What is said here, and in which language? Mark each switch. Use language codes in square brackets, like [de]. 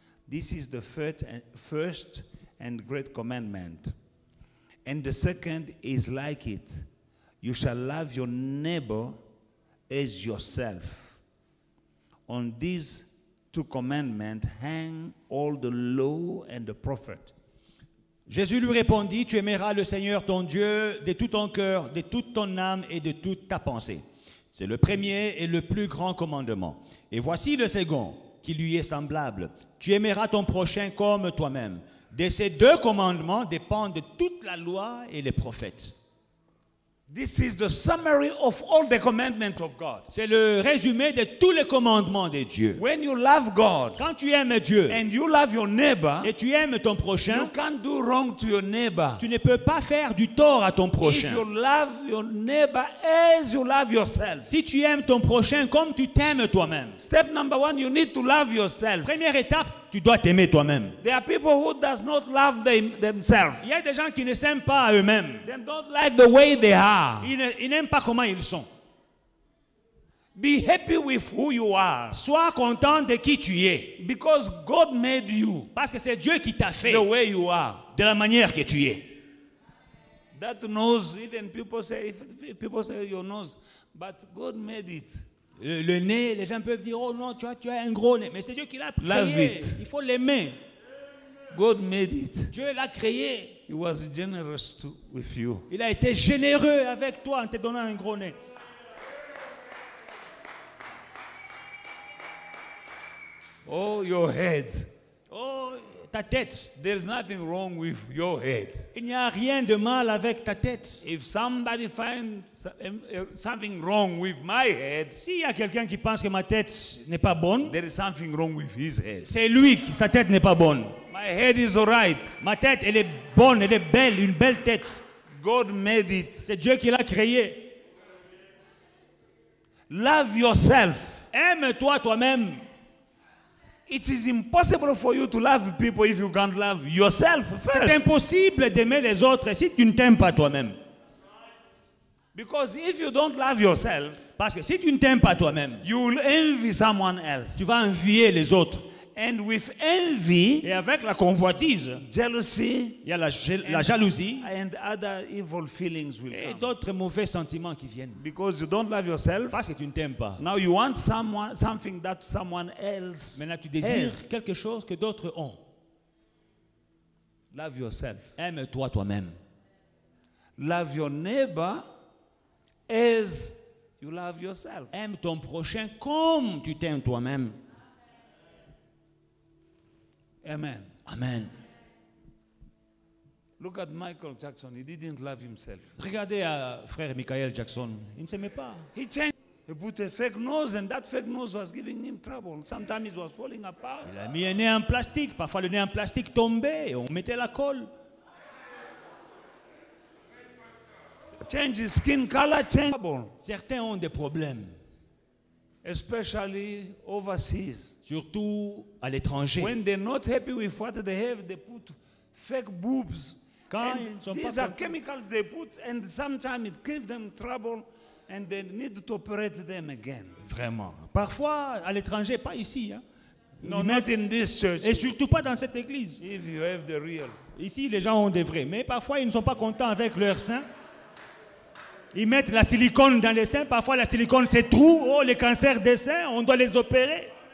[en] This is the first and great commandment. And the second is like it. You shall love your neighbor as yourself. On these two commandments hang all the law and the prophets. [fr] Jésus lui répondit, tu aimeras le Seigneur ton Dieu de tout ton cœur, de toute ton âme et de toute ta pensée. C'est le premier et le plus grand commandement. Et voici le second qui lui est semblable. Tu aimeras ton prochain comme toi-même. De ces deux commandements dépendent de toute la loi et les prophètes. [en] This is the summary of all the commandments of God. [fr] C'est le résumé de tous les commandements de Dieu. [en] When you love God, [fr] quand tu aimes Dieu, [en] and you love your neighbor, [fr] et tu aimes ton prochain, [en] you can't do wrong to your neighbor. [fr] Tu ne peux pas faire du tort à ton prochain. [en] If you love your neighbor as you love yourself. [fr] Si tu aimes ton prochain comme tu t'aimes toi-même. [en] Step number one, you need to love yourself. [fr] Première étape, tu dois t'aimer toi-même. [en] There are people who does not love themselves. [fr] Il y a des gens qui ne s'aiment pas à eux-mêmes. [en] They don't like the way they are. [fr] Ils n'aiment pas comment ils sont. [en] Be happy with who you are. [fr] Sois content de qui tu es. [en] Because God made you. [fr] Parce que c'est Dieu qui t'a fait. [en] The way you are. [fr] De la manière que tu es. [en] That nose, even people say your nose, but God made it. [fr] Le nez, les gens peuvent dire, oh non, tu as un gros nez. Mais c'est Dieu qui l'a créé. [en] Love it. [fr] Il faut l'aimer. [en] God made it. [fr] Dieu l'a créé. [en] He was generous with you. [fr] Il a été généreux avec toi en te donnant un gros nez. [en] Oh, your head. [fr] Oh, ta tête. [en] There's nothing wrong with your head. [fr] Il n'y a rien de mal avec ta tête. [en] If somebody finds something wrong with my head. [fr] S'il y a quelqu'un qui pense que ma tête n'est pas bonne, [en] there is something wrong with his head. [fr] C'est lui qui sa tête n'est pas bonne. [en] My head is all right. [fr] Ma tête elle est bonne, elle est belle, une belle tête. [en] God made it. [fr] C'est Dieu qui l'a créé. [en] Love yourself. [fr] Aime-toi toi-même. [en] It is impossible for you to love people if you can't love yourself first. [fr] C'est impossible d'aimer les autres si tu ne t'aimes pas toi-même. [en] Because if you don't love yourself, [fr] parce que si tu ne t'aimes pas toi-même, [en] you will envy someone else. [fr] Tu vas envier les autres. [en] And with envy, [fr] et avec la convoitise, [en] jealousy, [fr] il y a la jalousie, [en] and other evil feelings will [fr] et [en] come. [fr] D'autres mauvais sentiments qui viennent. [en] Because you don't love yourself, [fr] parce que tu ne t'aimes pas. [en] Now you want something that someone else. [fr] Maintenant tu désires quelque chose que d'autres ont. [en] Love yourself. [fr] Aime-toi toi-même. [en] Love your neighbor. As you love yourself. [fr] Aime ton prochain comme tu t'aimes toi-même. [en] Amen. [fr] Amen. [en] Look at Michael Jackson. He didn't love himself. [fr] Regardez à frère Michael Jackson. Il ne s'aimait pas. [en] He changed. He put a fake nose, and that fake nose was giving him trouble. Sometimes it was falling apart. [fr] Il a mis un nez en plastique. Parfois le nez en plastique tombait. Et on mettait la colle. [en] Change his skin color, change. [fr] Certains ont des problèmes. [en] Especially overseas. [fr] Surtout à l'étranger. [en] When they're not happy with what they have, they put fake boobs. [fr] Quand [en] these are chemicals they put, and sometimes it gives them trouble, and they need to operate them again. [fr] Vraiment. Parfois à l'étranger, pas ici, hein. [en] No, not in this church. [fr] Et surtout pas dans cette église. [en] If you have the real. [fr] Ici, les gens ont des vrais, mais parfois ils ne sont pas contents avec leur sein. Ils mettent la silicone dans les seins. Parfois, la silicone, c'est trou. Oh, les cancers des seins, on doit les opérer.